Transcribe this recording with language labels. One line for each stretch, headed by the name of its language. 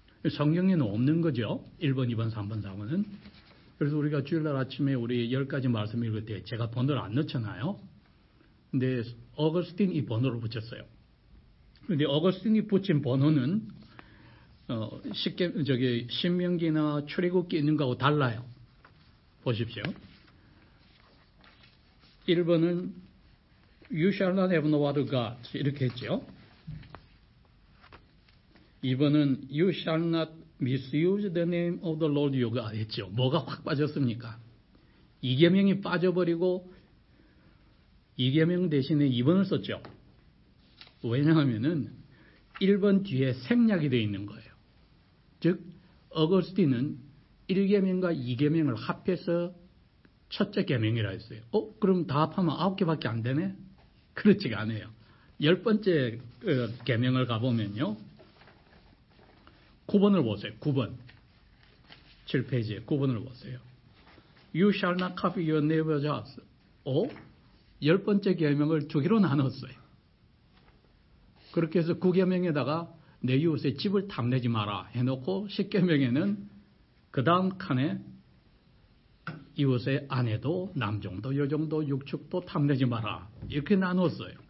Korean: 성경에는 없는 거죠. 1번, 2번, 3번, 4번은. 그래서 우리가 주일날 아침에 우리 10가지 말씀 읽을 때 제가 번호를 안 넣잖아요. 근데 어거스틴 이 번호를 붙였어요. 근데 어거스틴이 붙인 번호는 쉽게 저기 신명기나 출애굽기 있는 거하고 달라요. 보십시오. 1번은
English: You shall not have no other God
Korean: 이렇게 했죠. 2번은
English: You shall not misuse the name of the Lord your God
Korean: 했죠. 뭐가 확 빠졌습니까? 이계명이 빠져버리고 이계명 대신에 2번을 썼죠. 왜냐하면은 1번 뒤에 생략이 되어 있는 거예요. 즉, 어거스틴은 1계명과 2계명을 합해서 첫째 계명이라 했어요. 그럼 다 합하면 9개밖에 안 되네? 그렇지가 않아요. 10번째 계명을 가보면요. 9번을 보세요. 9번. 7페이지에 9번을 보세요.
English: You shall not copy your neighbor's house.
Korean: 열 번째 계명을 두 개로 나눴어요. 그렇게 해서 9계명에다가 내 이웃의 집을 탐내지 마라 해놓고 10계명에는 그 다음 칸에 이웃의 아내도 남종도 여종도 육축도 탐내지 마라 이렇게 나눴어요.